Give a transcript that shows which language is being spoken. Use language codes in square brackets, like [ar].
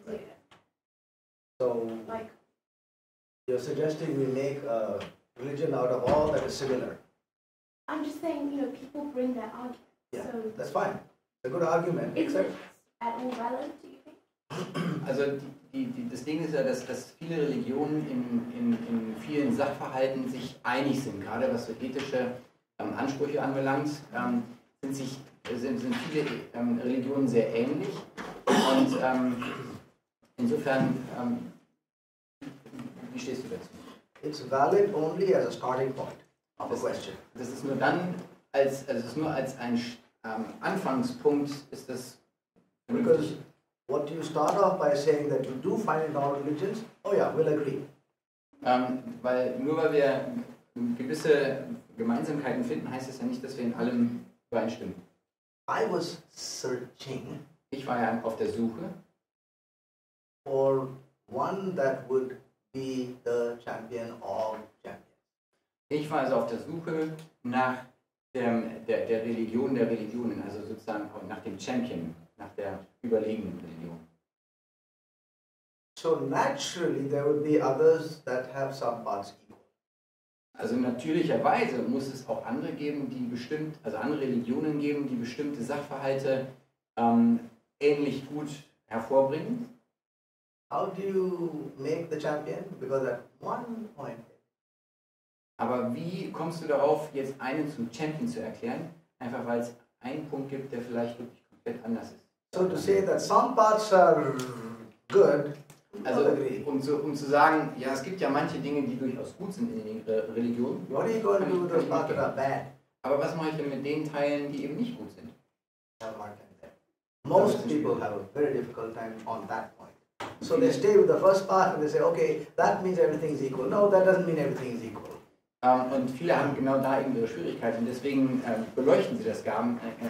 [en] Right. So, like, you're suggesting we make a religion out of all that is similar? I'm just saying, you know, people bring their argument. Yeah, so that's fine. It's a good argument. Is it at all valid, do you think? [de] Also, das Ding ist ja, dass viele Religionen in vielen Sachverhalten sich einig sind. Gerade was so ethische Ansprüche anbelangt, sind viele Religionen sehr ähnlich. Und insofern, wie stehst du dazu? [en] It's valid only as a starting point of a question. [de] Das ist nur dann, als ein Anfangspunkt ist das möglich. [en] What do you start off by saying that you do find in all religions? Oh yeah, we'll agree. [de] Weil wir gewisse Gemeinsamkeiten finden, heißt es ja nicht, dass wir in allem übereinstimmen. [en] I was searching. [de] Ich war ja auf der Suche. [en] For one that would be the champion of champions. [de] Ich war also auf der Suche nach der Religion der Religionen, also sozusagen nach dem Champion. Nach der überlegenen Religion. [en] So naturally there would be others that have some parts equal. [de] Also natürlicherweise muss es auch andere geben, andere Religionen geben, die bestimmte Sachverhalte ähnlich gut hervorbringen. [en] How do you make the champion? Because at one point. [de] Aber wie kommst du darauf, jetzt einen zum Champion zu erklären? Einfach weil es einen Punkt gibt, der vielleicht wirklich komplett anders ist. [en] So to say that some parts are good. [de] Also, um zu sagen, ja, es gibt ja manche Dinge, die durchaus gut sind in der Religion. [en] What are you going to do with those parts that are bad? [de] Aber was mache ich denn mit den Teilen, die eben nicht gut sind? [en] Most people have a very difficult time on that point. So they stay with the first part and they say, okay, that means everything is equal. No, that doesn't mean everything is equal. [de] Und viele haben genau da eben ihre Schwierigkeiten. Und deswegen beleuchten sie das gar nicht.